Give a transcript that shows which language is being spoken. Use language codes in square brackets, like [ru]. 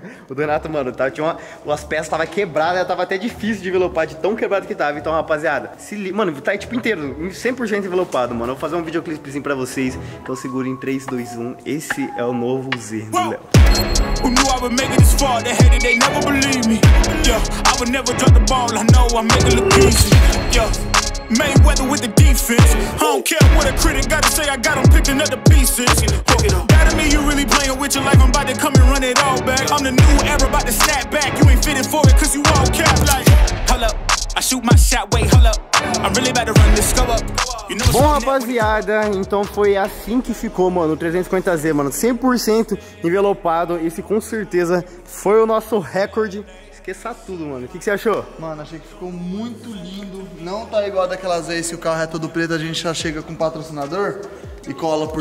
[pt] O do Renato, mano, tá, tinha as peças tava quebradas, tava até difícil de envelopar, de tão quebrado que tava. Então, rapaziada, se liga. Mano, tá tipo inteiro, 100% envelopado, mano. Eu vou fazer um videoclipezinho pra vocês, que eu seguro em 3, 2, 1. Esse é o novo Z, né, Léo? [en] Who knew I would make it this far? They hated, they never believe me. Yeah, I would never drop the ball. I know I make it look easy. Yeah, Mayweather with the defense. I don't care what a critic gotta say. I got them picking up the pieces. Better me, you really playing with your life. I'm about to come and run it all back. I'm the new era, about to snap back. You ain't fitting for it 'cause you all cap like. Hold up, I shoot my shot. Wait, hold up. I'm really about to run this. Go up. [pt] Bom, rapaziada, então foi assim que ficou, mano, o 350Z, mano, 100% envelopado. Esse com certeza foi o nosso recorde. Esqueça tudo, mano, o que você achou? Mano, achei que ficou muito lindo. Não tá igual daquelas vezes que o carro é todo preto, a gente já chega com patrocinador e cola por